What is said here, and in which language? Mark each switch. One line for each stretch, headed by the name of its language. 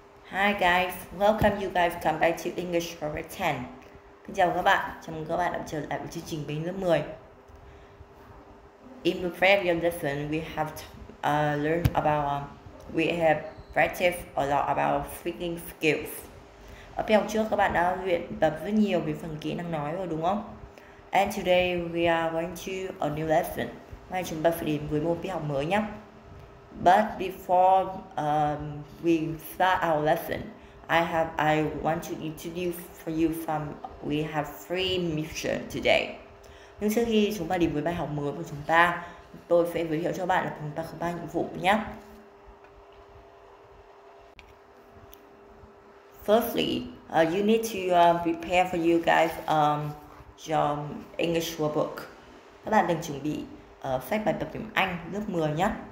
English: Hi guys, welcome you guys come back to English for 10.
Vietnamese: Xin chào các bạn, chào mừng các bạn đã trở lại với chương trình bình lớp 10.
English: In the previous lesson, we have learned about, we have practiced a lot about speaking skills.
Vietnamese: Ở phần trước các bạn đã luyện tập rất nhiều về phần kỹ năng nói rồi đúng không?
English: And today we are going to a new lesson.
Vietnamese: Mai chúng ta sẽ đến với một phần học mới nhé.
English: But before we start our lesson, we have three missions today.
Vietnamese: Nhưng trước khi chúng ta đến với bài học mới của chúng ta, tôi sẽ giới thiệu cho bạn là chúng ta có ba nhiệm vụ nhé.
English: Firstly, you need to prepare for you guys your English workbook.
Vietnamese: Các bạn cần chuẩn bị sách bài tập tiếng Anh lớp 10 nhé.